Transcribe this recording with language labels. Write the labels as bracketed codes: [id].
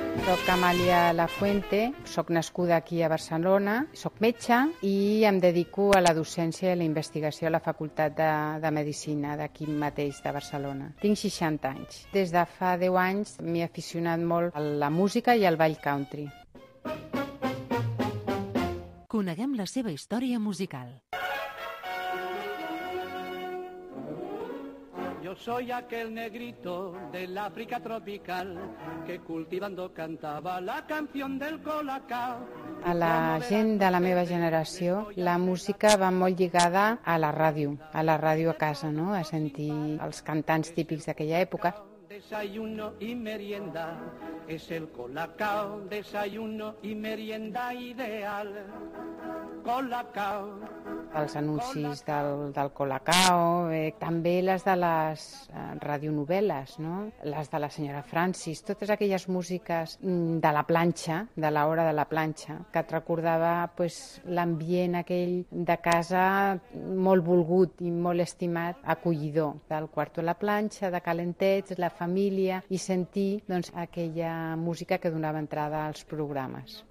[ca] Soc Amàlia Lafuente, soc nascuda aquí a Barcelona, soc metge i em dedico a la docència i a la investigació a la Facultat de Medicina d'aquí mateix, de Barcelona. Tinc 60 anys. Des de fa 10 anys m'he aficionat molt a la música i al ball country. Coneguem la seva història musical. [es] Yo soy aquel negrito del África tropical que cultivando cantaba la canción del colacao. [ca] A la gent de la meva generació, la música va molt lligada a la ràdio a casa, no? A sentir els cantants típics d'aquella època. [es] Desayuno y merienda es el colacao, desayuno y merienda ideal. Colacao. [ca] Els anuncis del Colacao, també les de les radionovel·les, no? Les de la senyora Francis, totes aquelles músiques de la planxa, de l'hora de la planxa, que et recordava pues, l'ambient aquell de casa molt volgut i molt estimat, acollidor, del quarto a la planxa, de calentets, la família, i sentir doncs, aquella música que donava entrada als programes.